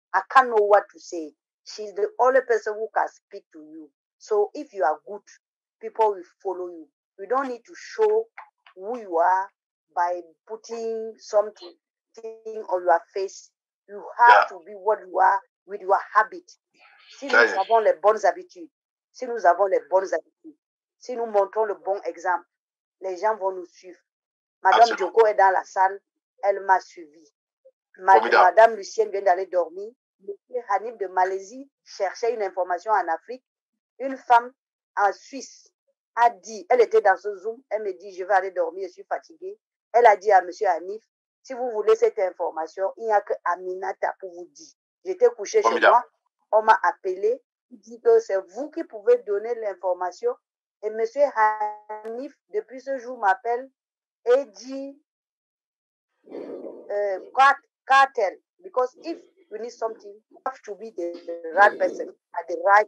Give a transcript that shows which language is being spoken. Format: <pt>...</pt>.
<en>I can't know what to say. She's the only person who can speak to you. So if you are good, people will follow you. We don't need to show who you are by putting something on your face. You have to be what you are with your habit.</en> <fr>Si nous avons les bonnes habitudes, si nous avons les bonnes habitudes, si nous montrons le bon exemple, les gens vont nous suivre. Madame Joko est dans la salle, elle m'a suivi. Madame Lucienne vient d'aller dormir. Monsieur Hanif de Malaisie cherchait une information en Afrique. Une femme en Suisse a dit, elle était dans ce Zoom, elle me dit, je vais aller dormir, je suis fatiguée. Elle a dit à Monsieur Hanif, si vous voulez cette information, il n'y a que Aminata pour vous dire. J'étais couchée chez moi. On m'a appelé, dit que c'est vous qui pouvez donner l'information. Et M. Hanif, depuis ce jour, m'appelle et dit cartel.</fr> <en>Because if you need something, you have to be the right person at the right</en>